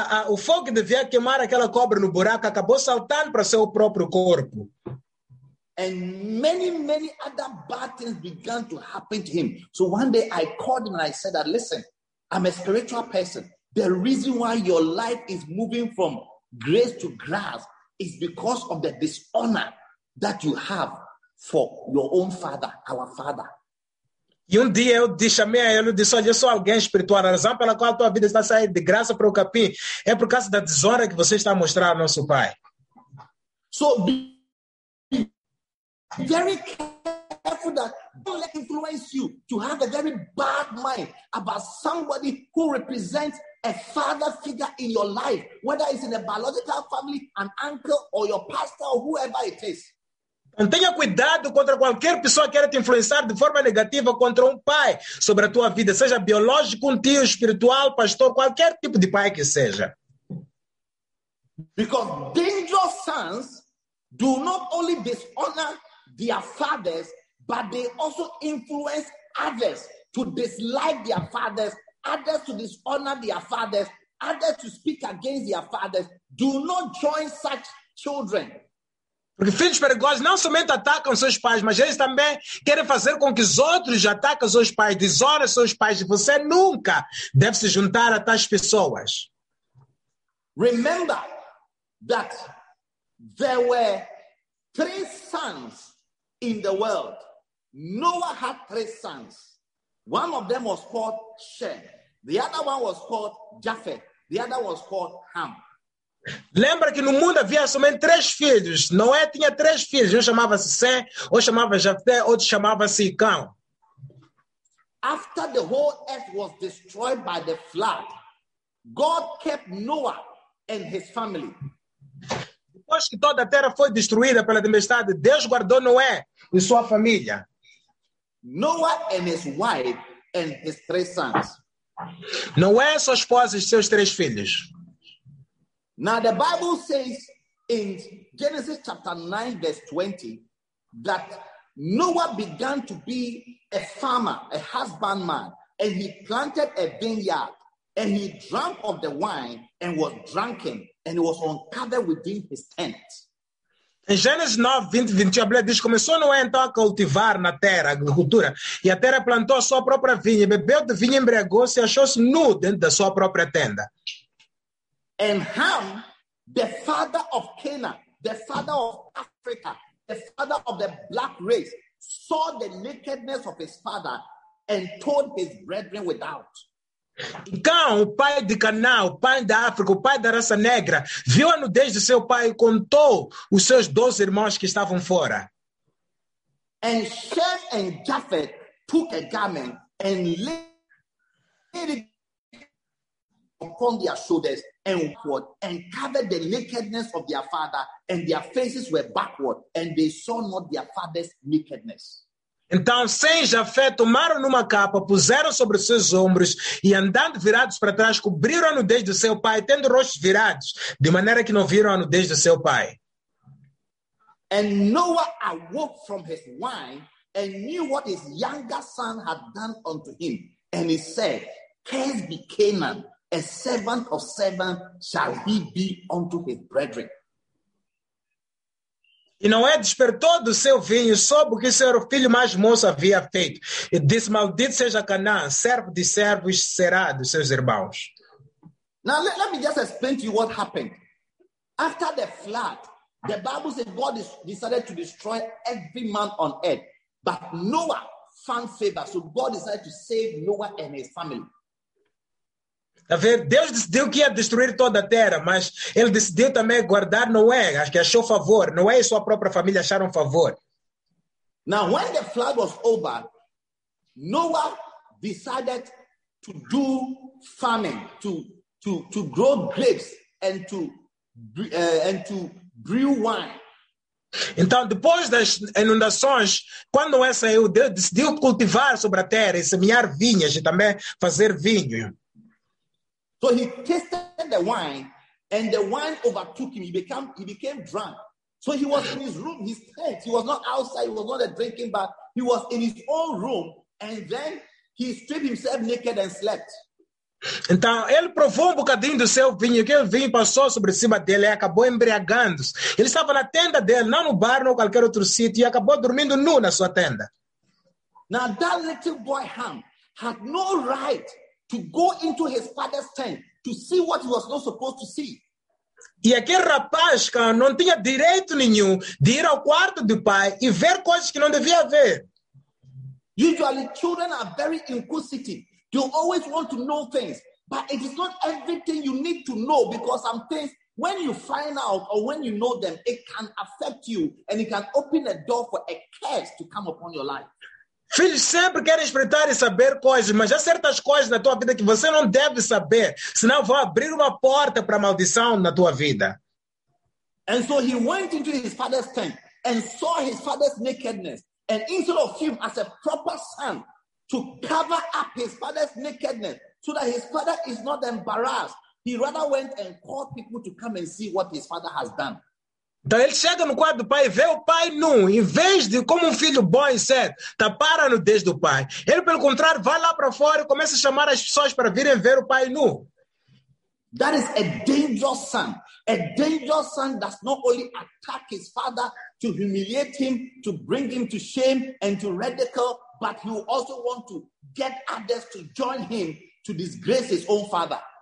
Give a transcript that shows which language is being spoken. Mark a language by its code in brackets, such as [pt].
[pt] O fogo que devia queimar aquela cobra no buraco acabou saltando para seu próprio corpo. [en] And many, many other bad things began to happen to him. So one day I called him and I said that, listen, I'm a spiritual person. The reason why your life is moving from grace to grass is because of the dishonor that you have for your own father, our father. [pt] E dia eu chamei a ele e disse, olha, eu sou alguém espiritual. A razão pela qual a tua vida está saindo de graça para o capim é por causa da desonra que você está a mostrar ao nosso pai. [en] So very careful that don't let influence you to have a very bad mind about somebody who represents a father figure in your life, whether it's in a biological family, an uncle or your pastor or whoever it is. [pt] Então tenha cuidado contra qualquer pessoa que queira te influenciar de forma negativa contra pai sobre a tua vida, seja biológico, tio, espiritual, pastor, qualquer tipo de pai que seja. [en] Because dangerous sons do not only dishonor their fathers, but they also influence others to dislike their fathers, others to dishonor their fathers, others to speak against their fathers. Do not join such children. [pt] Porque filhos perigosos não somente atacam seus pais, mas eles também querem fazer com que os outros ataquem seus pais, desonem seus pais. E você nunca deve se juntar a tais pessoas. [en] Remember that there were three sons in the world. Noah had three sons. One of them was called Shem. The other one was called Japheth. The other was called Ham. [pt] Lembra que no mundo havia somente três filhos. Noé tinha três filhos. Um chamava-se Sem, outro chamava-se Jafé, outro chamava-se Cão. [en] After the whole earth was destroyed by the flood, God kept Noah and his family. [pt] Depois que toda a terra foi destruída pela tempestade, Deus guardou Noé e sua família. [en] Noah and his wife and his three sons. [pt] Noé, sua esposa e seus três filhos. [en] Now the Bible says in Genesis chapter 9 verse 20 that Noah began to be a farmer, a husbandman, and he planted a vineyard and he drank of the wine and was drunken and he was uncovered within his tent. [pt] Em Gênesis 9, 20, 21, a Bíblia diz, começou Noé então a cultivar na terra, a agricultura, e a terra plantou a sua própria vinha, bebeu de vinho, embriagou-se e achou-se nu dentro da sua própria tenda. [en] And Ham, the father of Canaan, the father of Africa, the father of the black race, saw the nakedness of his father and told his brethren without. [pt] Cão, o pai de Canaã, o pai da África, o pai da raça negra, viu a nudez de seu pai e contou os seus 12 irmãos que estavam fora. [en] And Shem and Japheth took a garment and laid it upon their shoulders and covered the nakedness of their father, and their faces were backward, and they saw not their father's nakedness. [pt] Então, Sem e Jafé tomaram numa capa, puseram sobre seus ombros, e andando virados para trás, cobriram a nudez do seu pai, tendo rostos virados, de maneira que não viram a nudez do seu pai. [en] And Noah awoke from his wine, and knew what his younger son had done unto him. And he said, cursed be Canaan, a servant of seven shall he be unto his brethren. [pt] E Noé despertou do seu vinho, soube que seu filho mais moço havia feito. E disse, maldito seja Canaã, servo de servos será dos seus irmãos. [en] Now, let me just explain to you what happened. After the flood, the Bible says God decided to destroy every man on earth. But Noah found favor, so God decided to save Noah and his family. [pt] Deus decidiu que ia destruir toda a terra, mas ele decidiu também guardar Noé, acho que achou favor. Noé e sua própria família acharam favor. [en] Now, when the flood was over, Noah decided to do farming, to grow grapes and to brew wine. [pt] Então, depois das inundações, quando Noé saiu, Deus decidiu cultivar sobre a terra e semear vinhas e também fazer vinho. [en] So he tasted the wine, and the wine overtook him. He became drunk. So he was in his room, his tent. He was not outside. He was not drinking, but he was in his own room. And then he stripped himself naked and slept. [pt] Então, ele provou um bocadinho do seu vinho, que o vinho passou sobre cima dele e acabou embriagando-se. Ele estava na tenda dele, não no bar, não em qualquer outro sítio, e acabou dormindo nu na sua tenda. [en] Now, that little boy, Ham, had no right to go into his father's tent to see what he was not supposed to see. [pt] E aquele rapaz não tinha direito nenhum de ir ao quarto do pai e ver coisas que não devia ver. [en] Usually children are very inquisitive. They always want to know things. But it is not everything you need to know, because some things, when you find out or when you know them, it can affect you and it can open a door for a curse to come upon your life. [pt] Filhos sempre querem espreitar e saber coisas, mas há certas coisas na tua vida que você não deve saber, senão vão abrir uma porta para a maldição na tua vida. [en] And so he went into his father's tent and saw his father's nakedness, and instead of him as a proper son to cover up his father's nakedness so that his father is not embarrassed, he rather went and called people to come and see what his father has done. [pt] Então ele chega no quarto do pai e vê o pai nu, em vez de como um filho bom e certo, tapar a nudez do pai. Ele, pelo contrário, vai lá para fora e começa a chamar as pessoas para virem ver o pai nu. [en] That is a dangerous son. A dangerous son does not only attack his father to humiliate him, to bring him to shame and to ridicule, but he will also want to get others to join him to disgrace his own father.